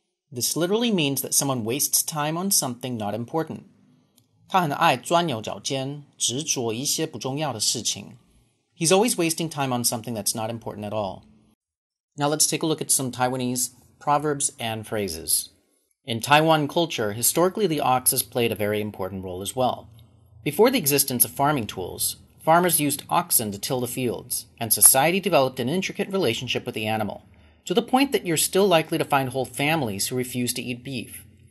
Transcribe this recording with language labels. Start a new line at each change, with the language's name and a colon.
English: This literally means that someone wastes time on something not important.
Chinese: 他很爱钻牛角尖,执着一些不重要的事情.
English: He's always wasting time on something that's not important at all. Now let's take a look at some Taiwanese proverbs and phrases. In Taiwan culture, historically the ox has played a very important role as well. Before the existence of farming tools, farmers used oxen to till the fields, and society developed an intricate relationship with the animal, to the point that you're still likely to find whole families who refuse to eat beef.